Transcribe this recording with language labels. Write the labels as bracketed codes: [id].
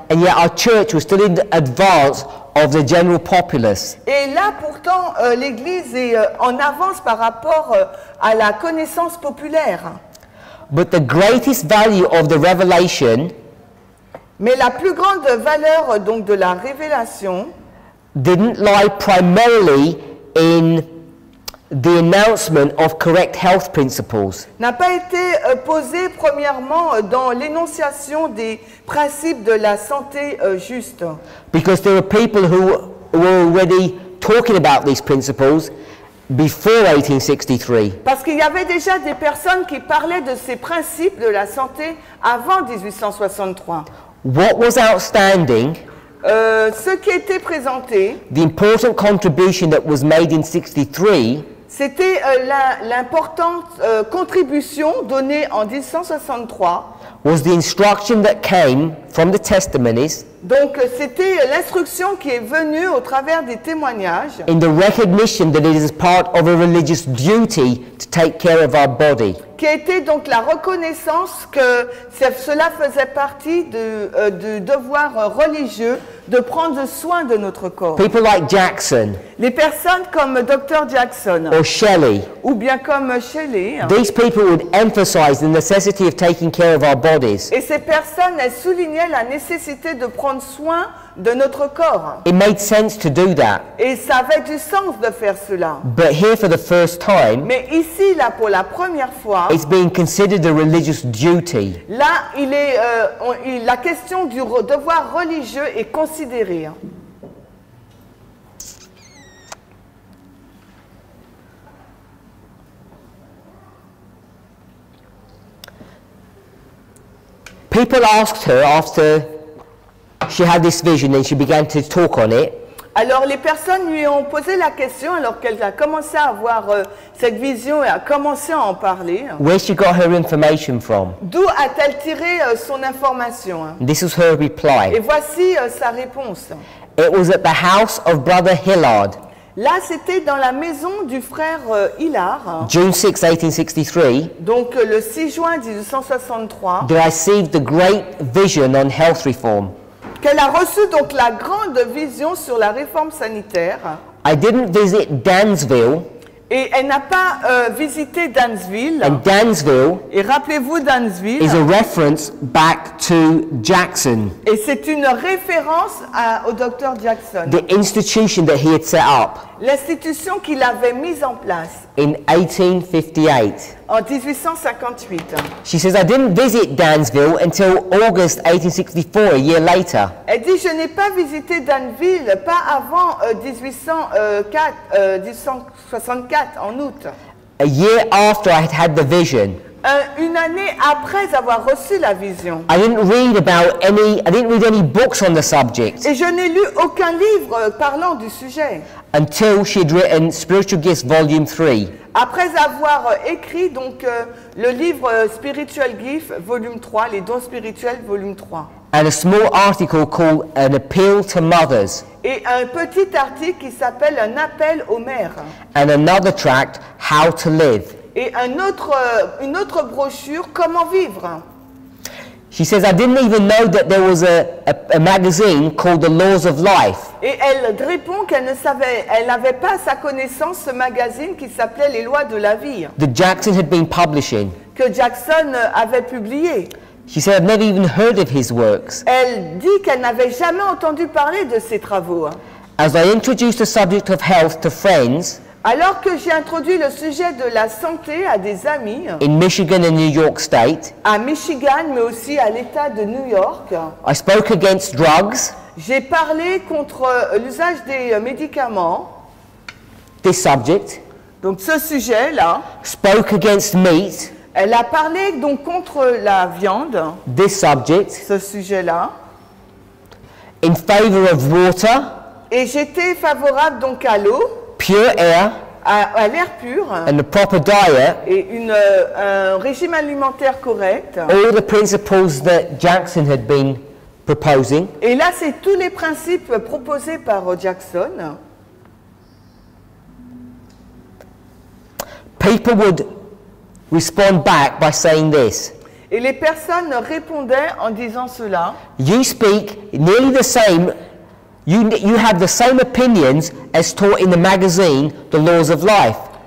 [en] And yet our church was still in advance of the general populace. [fr] Et là pourtant l'église est en avance par rapport à la connaissance populaire. [en] But the greatest value of the revelation, [fr] mais la plus grande valeur donc de la révélation, [en] didn't lie primarily in the announcement of correct health principles, [fr] n'a pas été posée premièrement dans l'énonciation des principes de la santé juste. [en] Because there were people who were already talking about these principles before 1863. [fr] Parce qu'il y avait déjà des personnes qui parlaient de ces principes de la santé avant 1863. [en] What was outstanding? [fr] Ce qui était présenté. [en] The important contribution that was made in 63. [fr] C'était l'importante contribution donnée en 1863. [en] Was the instruction that came from the testimonies. [fr] Donc c'était l'instruction qui est venue au travers des témoignages. [en] In the recognition that it is part of a religious duty to take care of our body. [fr] Qui était donc la reconnaissance que cela faisait partie du devoir religieux de prendre soin de notre corps. [en] People like Jackson. [fr] Les personnes comme Dr. Jackson. [en] Or Shelley. [fr] Ou bien comme Shelley. [en] These people would emphasize the necessity of taking care of our bodies. [fr] Et ces personnes, elles soulignaient la nécessité de prendre soin de notre corps. [en] It made sense to do that. [fr] Et ça avait du sens de faire cela. [en] But here for the first time. [fr] Mais ici, là, pour la première fois. [en] It's being considered a religious duty. [fr] Là, il est la question du devoir religieux est considérée. [en] people asked her after she had this vision and she began to talk on it. [fr] Alors les personnes lui ont posé la question alors qu'elle a commencé à avoir cette vision et a commencé à en parler. [en] Where she got her information from? [fr] D'où a-t-elle tiré son information? [en] This is her reply. [fr] Et voici sa réponse. [en] It was at the house of Brother Hillard. [fr] Là, c'était dans la maison du frère Hillard. [en] June 6, 1863. [fr] Donc le 6 juin 1863. [en] They received the great vision on health reform. [fr] Qu'elle a reçu donc la grande vision sur la réforme sanitaire. [en] I didn't visit Dansville. [fr] Et elle n'a pas visité Dansville. [en] And Dansville. [fr] Et rappelez-vous Dansville. [en] Is a reference back to Jackson. [fr] Et c'est une référence au docteur Jackson. [en] The institution that he had set up. [fr] L'institution qu'il avait mise en place. [en] In 1858. [fr] En 1858. [en] She says, I didn't visit Dansville until August 1864, a year later. [fr] Elle dit, je n'ai pas visité Dansville, pas avant 1864, en août. [en] A year after I had had the vision. [fr] Une année après avoir reçu la vision. [en] I didn't read any books on the subject. [fr] Et je n'ai lu aucun livre parlant du sujet. [en] Until she had written Spiritual Gifts, Volume 3. [fr] Après avoir écrit donc le livre Spiritual Gifts, Volume 3, Les dons spirituels, Volume 3. [en] And a small article called An Appeal to Mothers. [fr] Et un petit article qui s'appelle Un appel aux mères. [en] And another tract, How to Live. [fr] Et une autre brochure, Comment vivre. [en] She says, I didn't even know that there was a magazine called The Laws of Life. [fr] Et elle répond qu'elle ne savait, elle n'avait pas à sa connaissance ce magazine qui s'appelait Les Lois de la Vie. [en] That Jackson had been publishing. [fr] Que Jackson avait publié. [en] She said, I've never even heard of his works. [fr] Elle dit qu'elle n'avait jamais entendu parler de ses travaux. [en] As I introduced the subject of health to friends. [fr] Alors que j'ai introduit le sujet de la santé à des amis. [en] In Michigan and New York State. [fr] À Michigan, mais aussi à l'état de New York. [en] I spoke against drugs. [fr] J'ai parlé contre l'usage des médicaments. [en] This subject. [fr] Donc ce sujet là. [en] Spoke against meat. [fr] Elle a parlé donc contre la viande. [en] This subject. [fr] Ce sujet là. [en] In favor of water. [fr] Et j'étais favorable donc à l'eau. [en] Pure air, [fr] à l'air pur, [en] and a proper diet, [fr] et un régime alimentaire correct. [en] All the principles that Jackson had been proposing. [fr] Et là, c'est tous les principes proposés par Jackson. [en] People would respond back by saying this. [fr] Et les personnes répondaient en disant cela. [en] You speak nearly the same. You have the same opinions as taught in the magazine, The Laws of Life.